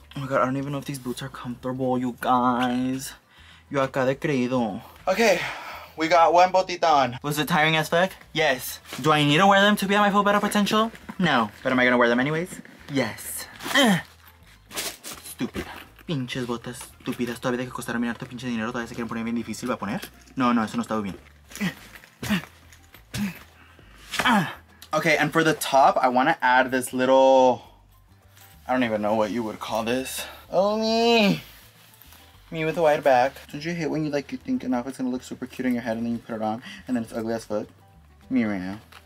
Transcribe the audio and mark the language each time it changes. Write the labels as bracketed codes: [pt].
[en] Oh my god, I don't even know if these boots are comfortable, you guys. [es] Yo acá de creído. [en] Okay, we got one botita on. Was it tiring as fuck? Yes. Do I need to wear them to be at my full better potential? No. But am I gonna wear them anyways? Yes. Stupid. [es] Pinches botas estúpidas. Todavía hay que costar a mirar tu pinche dinero. Todavía se quieren poner bien difícil. ¿Va a poner? No, no, eso no estaba bien. [en] Okay, and for the top, I want to add this little... I don't even know what you would call this. Oh, me. Me with a wide back. Don't you hate when you like you think an outfit's going to look super cute in your head and then you put it on and then it's ugly as fuck? Me right now.